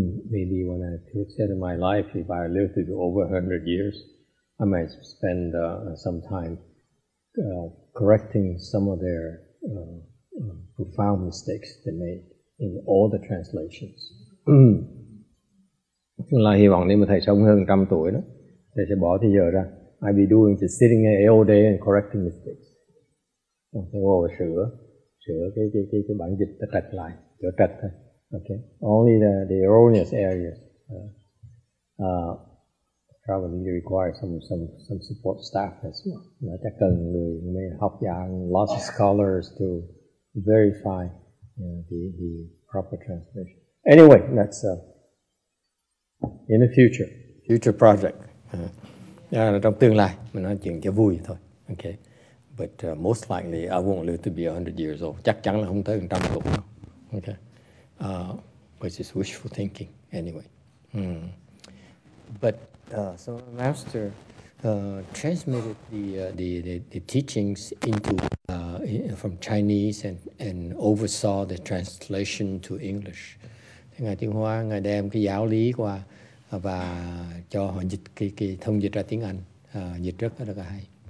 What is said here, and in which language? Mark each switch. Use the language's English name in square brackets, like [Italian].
[English] Maybe when I consider my life, if I live to be over 100 years, I might spend some time correcting some of their profound mistakes they made in all the translations. [Vietnamese] Là hy vọng nếu mà thầy sống hơn 100 tuổi đó, thầy sẽ bỏ thời giờ ra. [English] I'd be doing just sitting here all day and correcting mistakes. Okay, well, [Vietnamese] sửa cái bản dịch ta trạch lại, chỗ trạch thôi. [English] Okay, only the erroneous areas. Probably need to require some support staff as well. [Vietnamese] Nó chắc cần người mới học giả, [English] lots of scholars to verify the proper translation. Anyway, that's in the future project. [Vietnamese] Trong tương lai, mình nói chuyện cho vui thôi. [English] Okay, but most likely I won't live to be 100 years old. [Vietnamese] Chắc chắn là không tới 100 tuổi đâu. [English] Okay. Which is wishful thinking, anyway. But so, Master, transmitted the teachings into from Chinese and oversaw the translation to English. [Vietnamese] Ngài Tiên Hoa ngài đem cái giáo lý qua và cho họ dịch cái thông dịch ra tiếng Anh, dịch rất là hay.